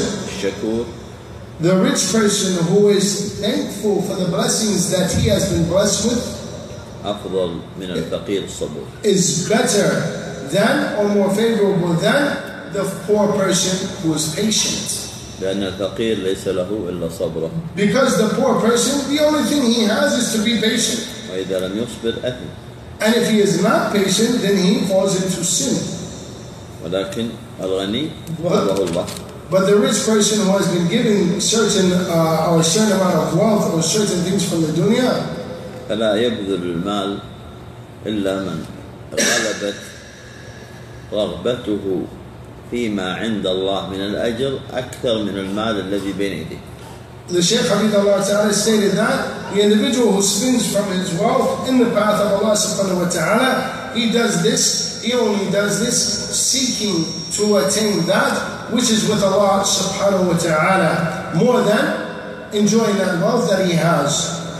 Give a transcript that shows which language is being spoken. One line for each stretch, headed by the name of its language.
Arabic: الشكور.
English: The rich person who is thankful for the blessings that he has been blessed with,
Arabic: أفضل من الفقير الصبور.
English: Is better than or more favorable than the poor person who is patient.
Arabic: لأن الفقير ليس له إلا صبره.
English: Because the poor person, the only thing he has is to be patient.
Arabic: وإذا لم يصبر أثم.
English: And if he is not patient, then he falls into sin.
Arabic: ولكن الغني قبله الله.
English: But the rich person who has been given certain or a certain amount of wealth or certain things from the dunya,
Arabic: فلا يبذل المال إلا من غلبت رغبته فيما عند الله من الأجر أكثر من المال الذي بين يديه.
English: The Shaykh Habib Allah Ta'ala stated that the individual who spends from his wealth in the path of Allah subhanahu wa ta'ala, he only does this seeking to attain that which is with Allah subhanahu wa ta'ala, more than enjoying that wealth that he has.